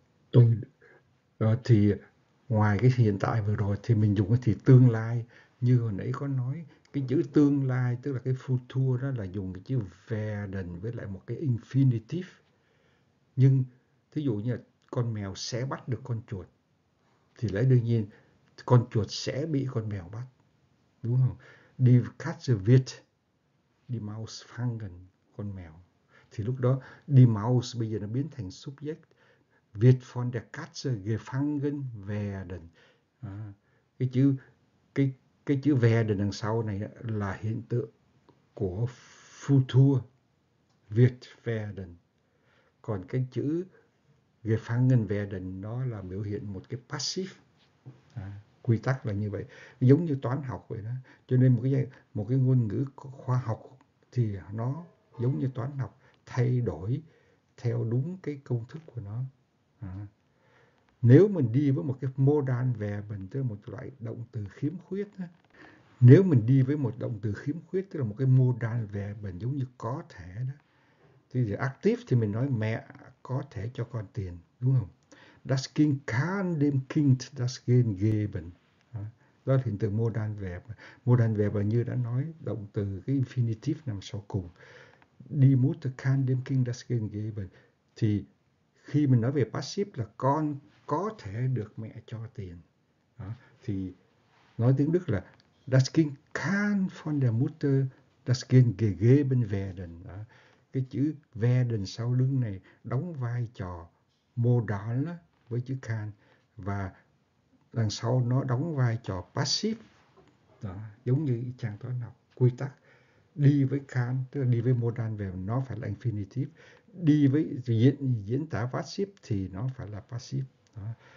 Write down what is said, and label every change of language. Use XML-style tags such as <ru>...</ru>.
<vi>Tôi rồi thì ngoài cái hiện tại vừa rồi thì mình dùng cái thì tương lai, như hồi nãy có nói cái chữ tương lai tức là cái future đó là dùng cái chữ werden với lại một cái infinitive. Nhưng thí dụ như là con mèo sẽ bắt được con chuột thì lẽ đương nhiên con chuột sẽ bị con mèo bắt, đúng không?</vi> <de>Die Katze wird die Maus fangen,</de> <vi>con mèo. Thì lúc đó die Maus bây giờ nó biến thành subject,</vi> <de>wird von der Katze gefangen werden.</de> <vi>À, cái chữ werden đằng sau này là hiện tượng của future, wird werden. Còn cái chữ gefangen werden nó là biểu hiện một cái passive. À, quy tắc là như vậy, giống như toán học vậy đó. Cho nên một cái ngôn ngữ khoa học thì nó giống như toán học, thay đổi theo đúng cái công thức của nó. À, nếu mình đi với một cái modal verb, mình tức là một loại động từ khiếm khuyết đó. Nếu mình đi với một động từ khiếm khuyết tức là một cái modal verb, mình giống như có thể đó, thì active thì mình nói mẹ có thể cho con tiền, đúng không?</vi> <de>Das Kind kann dem Kind das Geld geben.</de> <vi>Đó là hiện tượng modal verb. Modal verb là như đã nói, động từ cái infinitive nằm sau cùng.</vi> <de>Die Mutter kann dem Kind das Geld geben.</de> <vi>Thì khi mình nói về passive là con có thể được mẹ cho tiền. Đó. Thì nói tiếng Đức là</vi> <de>Das Kind kann von der Mutter das Geld geben werden.</de> <vi>Đó. Cái chữ werden sau lưng này đóng vai trò modal với chữ can, và đằng sau nó đóng vai trò passive. Đó, giống như trang toán học quy tắc đi với can tức là đi với modal về nó phải là infinitive, đi với diễn tả passive thì nó phải là passive. Đó.</vi>